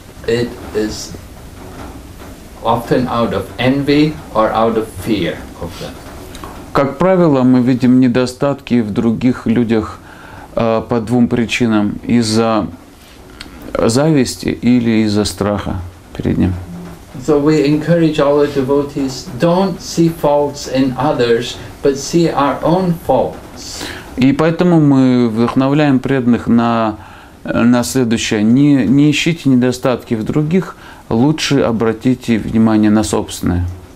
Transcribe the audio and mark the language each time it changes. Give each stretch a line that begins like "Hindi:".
English: It is often out of envy or out of fear of them.
Russian: Как правило, мы видим недостатки в других людях по двум причинам. Из-за зависти или из-за страха перед ним.
English: So we encourage all the devotees, don't see faults in others, but see our own faults.
Russian: И поэтому мы вдохновляем преданных на следующее. Не ищите недостатки в других, лучше обратите внимание на собственное.